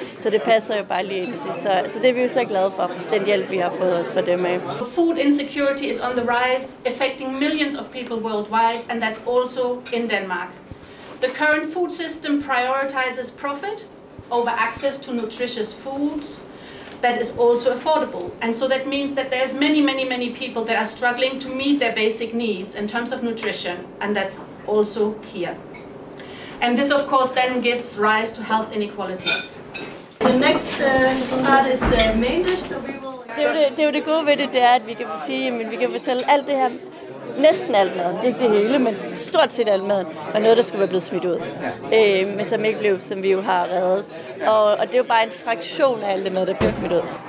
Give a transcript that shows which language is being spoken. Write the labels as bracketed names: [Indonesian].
[Danish] Så det passer jo bare lige ind i det. Så det er vi jo så glade for, den hjælp vi har fået os fra dem af. [English] Food insecurity is on the rise, affecting millions of people worldwide, and that's also in Denmark. The current food system prioritizes profit over access to nutritious foods that is also affordable. And so that means that there's many, many, many people that are struggling to meet their basic needs in terms of nutrition, and that's also here. And this, of course, then gives rise to health inequalities. The next part is the main dish, so we will... [Danish] Det er jo det gode ved det, det er, at vi kan sige, men vi kan fortælle alt det her, næsten alt maden, ikke det hele, men stort set alt maden, var noget, der skulle være blevet smidt ud, men som ikke blev, som vi jo har reddet. Og det er jo bare en fraktion af alt det mad, der bliver smidt ud.